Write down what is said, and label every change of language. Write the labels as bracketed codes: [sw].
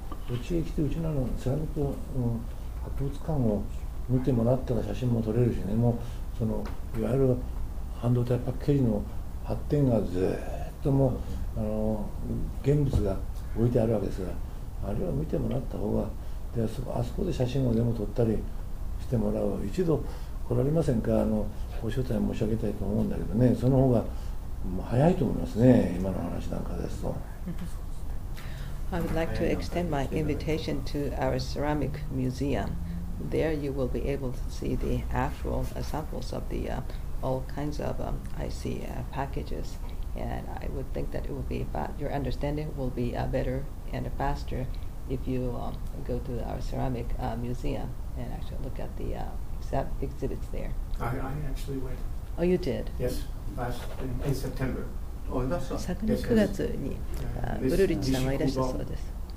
[ja] うちへ来てうちのセラミック、博物館を見てもらったら写真も撮れるしね、もうそのいわゆる半導体パッケージの発展がずっともう現物が置いてあるわけですが、あれを見てもらった方が、で あそこで写真をでも撮ったりしてもらう、一度来られませんか、ご招待申し上げたいと思うんだけどね、その方がもう早いと思いますね、今の話なんかですと。 [en] I would like to extend my invitation to our ceramic museum. There you will be able to see the actual samples of the all kinds of IC packages. And I would think that it will be your understanding will be better and faster if you go to our ceramic museum and actually look at the exhibits there. I actually went. Oh, you did? Yes, in September. [ja] 昨年9月にブルリッチさんがいらしたそうです。